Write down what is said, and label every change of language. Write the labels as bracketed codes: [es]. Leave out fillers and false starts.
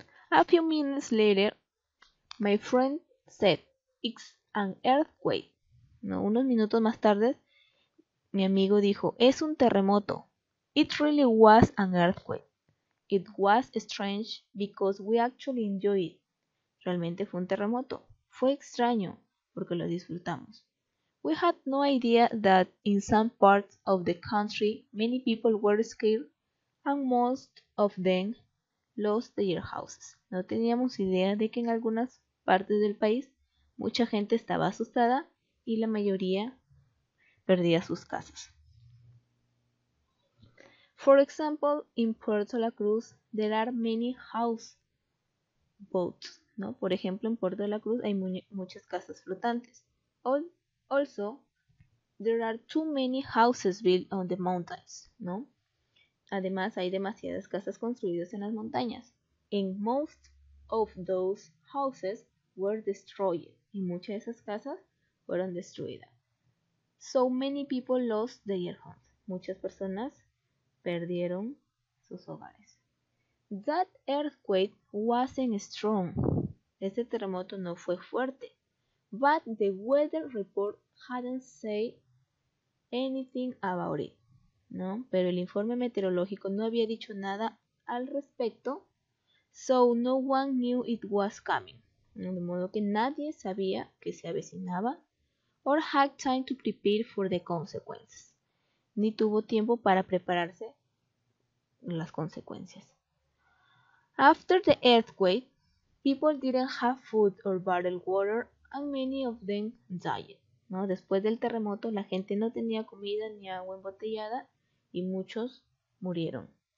[en] A few minutes later, my friend said, It's an earthquake. [es] ¿No? Unos minutos más tarde, mi amigo dijo, es un terremoto. [en] It really was an earthquake. It was strange because we actually enjoyed it. [es] Realmente fue un terremoto. Fue extraño porque lo disfrutamos. [en] We had no idea that in some parts of the country many people were scared and most of them lost their houses. [es] No teníamos idea de que en algunas partes del país mucha gente estaba asustada y la mayoría perdía sus casas. [en] For example, in Puerto La Cruz, there are many houseboats, [es] ¿no? Por ejemplo, en Puerto La Cruz hay muchas casas flotantes. [en] Also, there are too many houses built on the mountains, [es] ¿no? Además, hay demasiadas casas construidas en las montañas. [en] And most of those houses were destroyed. [es] Y muchas de esas casas fueron destruidas. [en] So many people lost their homes. [es] Muchas personas perdieron sus hogares. [en] That earthquake wasn't strong. [es] Ese terremoto no fue fuerte. [en] But the weather report hadn't said anything about it. [es] ¿No? Pero el informe meteorológico no había dicho nada al respecto. [en] So no one knew it was coming. [es] ¿No? De modo que nadie sabía que se avecinaba. [en] Or had time to prepare for the consequences. [es] Ni tuvo tiempo para prepararse las consecuencias. [en] After the earthquake, people didn't have food or bottled water and many of them died. [es] ¿No? Después del terremoto, la gente no tenía comida ni agua embotellada y muchos murieron.